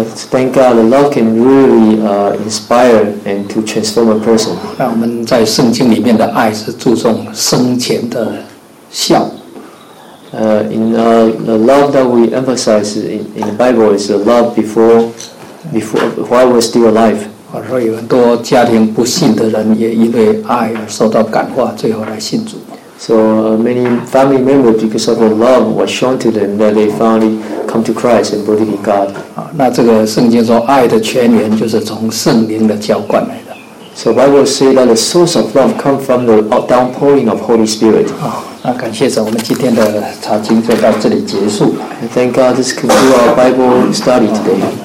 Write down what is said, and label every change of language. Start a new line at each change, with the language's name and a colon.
English: Thank God, love can really inspire and to transform a person.
Chinese: 那我们在圣经里面的爱是注重生前的孝。
English: The love that we emphasize in the Bible is the love before while we're still alive.
Chinese: 所以很多家庭不幸的人也因为爱而受到感化，最后来信主。
English: So many family members, because of the love was shown to them, that they finally come to Christ and believe in God.
Chinese: 那这个圣经说爱的泉源就是从圣灵的浇灌来的。
English: So Bible say that the source of love comes from the downpouring of Holy Spirit.
Chinese: 那感谢神，我们今天的查经就到这里结束。
English: And thank God, this concludes our Bible study today.